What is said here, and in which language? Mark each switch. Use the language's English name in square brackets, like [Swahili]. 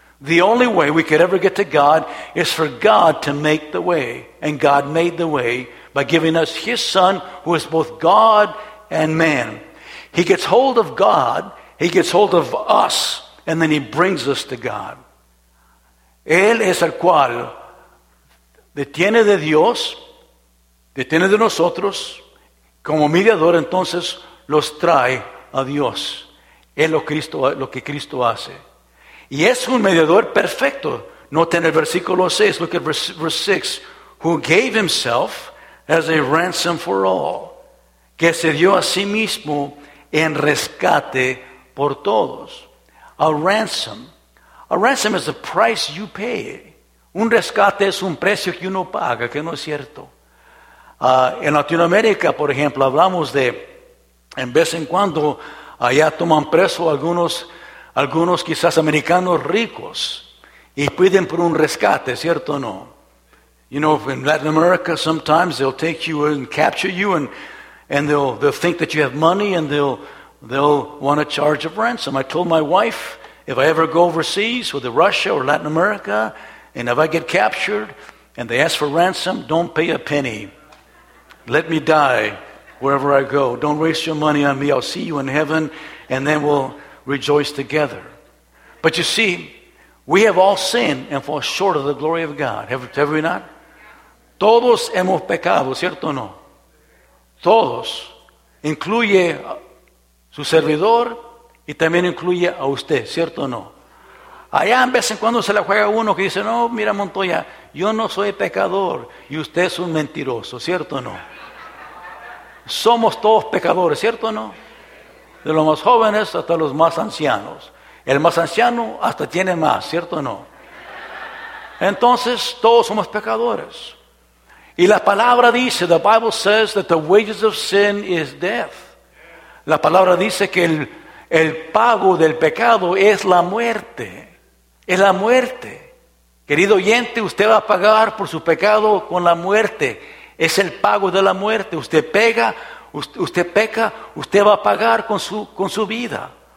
[English] The only way we could ever get to God is for God to make the way. And God made the way by giving us his Son, who is both God and man. He gets hold of God, he gets hold of us, and then he brings us to God. [Spanish] Él es el cual detiene de Dios, detiene de nosotros, como mediador entonces los trae a Dios. Es lo que Cristo hace. Y es un mediador perfecto. Noten el versículo 6, [English] look at verse 6. Who gave himself as a ransom for all. [Spanish] Que se dio a sí mismo en rescate por todos. [English] A ransom. A ransom is the price you pay. [Spanish] Un rescate es un precio que uno paga, que no es cierto. En Latinoamérica, por ejemplo, hablamos de, en vez en cuando, allá toman preso algunos quizás americanos ricos y piden por un rescate, ¿cierto o no? [English] You know, in Latin America, sometimes they'll take you and capture you and they'll think that you have money and they'll want to charge a ransom. I told my wife, if I ever go overseas, whether Russia or Latin America, and if I get captured and they ask for ransom, don't pay a penny. Let me die wherever I go. Don't waste your money on me. I'll see you in heaven, and then we'll rejoice together. But you see, we have all sinned and fall short of the glory of God. Have we not? [Spanish] Todos hemos pecado, ¿cierto o no? Todos. Incluye su servidor y también incluye a usted, ¿cierto o no? Allá en vez en cuando se la juega uno que dice, no, mira Montoya, yo no soy pecador y usted es un mentiroso, ¿cierto o no? Somos todos pecadores, ¿cierto o no? De los más jóvenes hasta los más ancianos. El más anciano hasta tiene más, ¿cierto o no? Entonces, todos somos pecadores. Y la palabra dice, [English] the Bible says that the wages of sin is death. [Spanish] La palabra dice que el pago del pecado es la muerte. Es la muerte. Querido oyente, usted va a pagar por su pecado con la muerte. Es el pago de la muerte. Usted peca, usted va a pagar con su vida.